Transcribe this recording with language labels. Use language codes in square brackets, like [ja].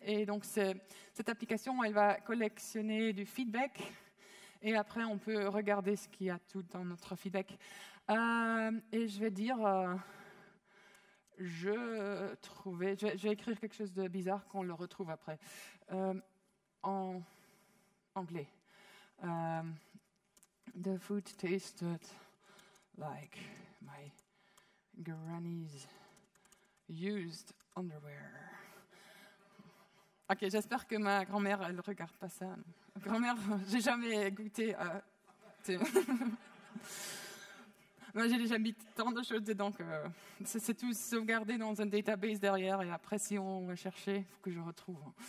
[fr] Et donc, cette application, elle va collectionner du feedback. Et après, on peut regarder ce qu'il y a tout dans notre feedback. Et je vais dire, je vais écrire quelque chose de bizarre qu'on le retrouve après. En anglais. [en] The food tasted like my granny's used underwear. [fr] Ok, j'espère que ma grand-mère, elle ne regarde pas ça. Grand-mère, j'ai jamais goûté à. Moi, j'ai déjà mis tant de choses dedans que c'est tout sauvegardé dans un database derrière. Et après, si on va chercher, il faut que je retrouve.